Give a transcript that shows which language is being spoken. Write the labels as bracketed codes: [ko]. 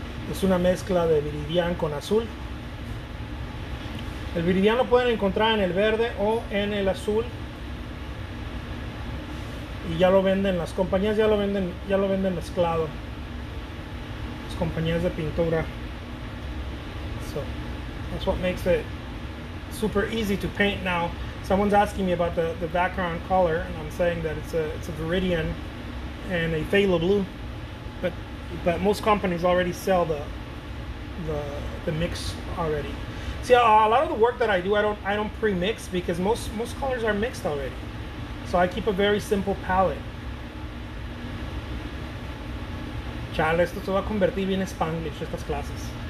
[es] Es una mezcla de viridiano con azul. El viridiano lo pueden encontrar en el verde o en el azul. Y ya lo venden, las compañías ya lo venden mezclado. Las compañías de pintura. [en] So that's what makes it super easy to paint. Now someone's asking me about the background color, and I'm saying that it's a viridian and a phthalo blue, but most companies already sell the mix already. See, a lot of the work that I do, I don't pre-mix, because most colors are mixed already, so I keep a very simple palette. [es] Chale, esto se va a convertir bien Spanglish estas clases.